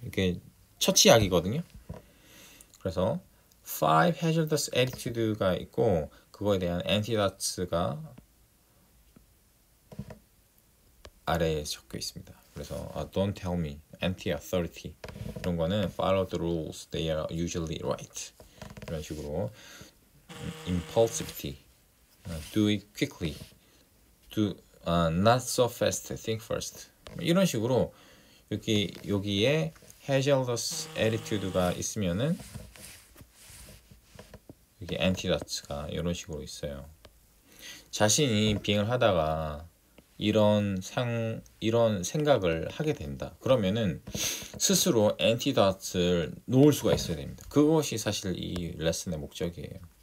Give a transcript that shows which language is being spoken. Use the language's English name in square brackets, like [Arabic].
[Korean] 이렇게 처치약이거든요. 그래서 Five hazardous attitude가 있고 그거에 대한 antidotes가 아래에 적혀 있습니다. 그래서 [English] don't tell me anti-authority [Korean] 이런 거는 [English] follow the rules, they are usually right [Korean] 이런 식으로 impulsivity, [English] do it quickly, not so fast, think first [Korean] 이런 식으로 여기에 hazardous attitude가 있으면은 이게 엔티다츠가 이런 식으로 있어요. 자신이 비행을 하다가 이런 생각을 하게 된다. 그러면은 스스로 엔티닷을 놓을 수가 있어야 됩니다. 그것이 사실 이 레슨의 목적이에요.